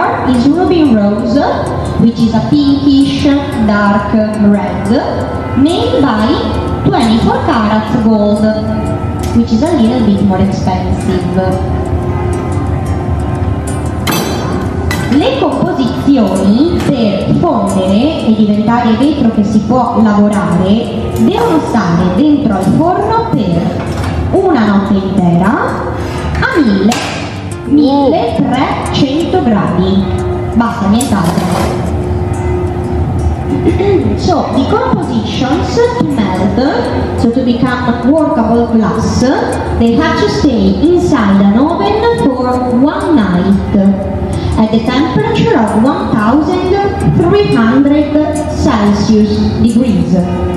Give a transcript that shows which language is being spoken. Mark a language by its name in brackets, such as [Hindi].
[English] Is ruby rose, which is a pinkish dark red, made by 24 carat gold, which is a little bit more expensive. [Italian] Le composizioni per fondere e diventare vetro che si può lavorare devono stare dentro al forno per una notte intera a 1300 gradi, basta, nient'altro. [English] So, the compositions to melt, so to become workable glass, they have to stay inside an oven for one night at the temperature of 1300 Celsius degrees.